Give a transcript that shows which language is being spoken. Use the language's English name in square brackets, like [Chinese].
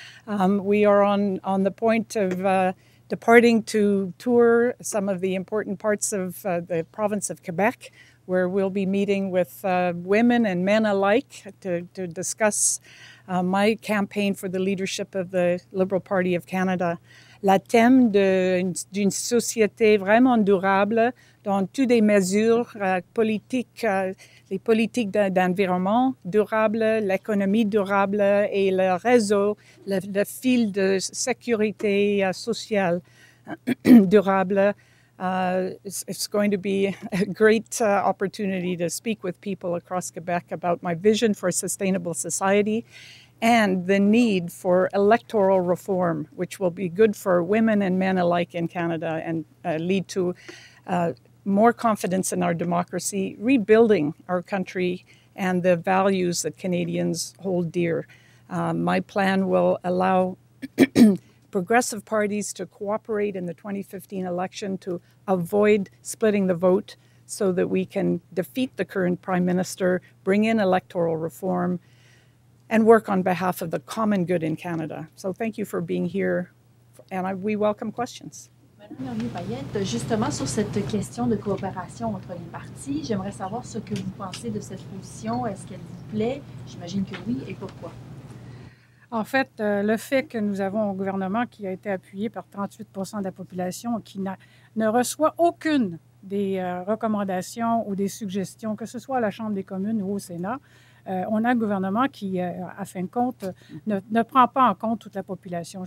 [English] We are on the point of departing to tour some of the important parts of the province of Quebec, where we'll be meeting with women and men alike to discuss my campaign for the leadership of the Liberal Party of Canada. [French] La thème d'une société vraiment durable dans toutes les mesures politiques, les politiques d'environnement durable, l'économie durable et le réseau, le fil de sécurité sociale durable. [English] It's going to be a great opportunity to speak with people across Quebec about my vision for a sustainable society and the need for electoral reform, which will be good for women and men alike in Canada and lead to more confidence in our democracy, rebuilding our country and the values that Canadians hold dear. My plan will allow progressive parties to cooperate in the 2015 election to avoid splitting the vote so that we can defeat the current prime minister, bring in electoral reform, and work on behalf of the common good in Canada. So thank you for being here, and we welcome questions. [French] Madame Hervieux-Payette, justement sur cette question de coopération entre les partis, j'aimerais savoir ce que vous pensez de cette position. Est-ce qu'elle vous plaît? J'imagine que oui, et pourquoi? En fait, le fait que nous avons un gouvernement qui a été appuyé par 38 % de la population qui ne reçoit aucune des recommandations ou des suggestions, que ce soit à la Chambre des communes ou au Sénat, on a un gouvernement qui, à fin de compte, ne prend pas en compte toute la population.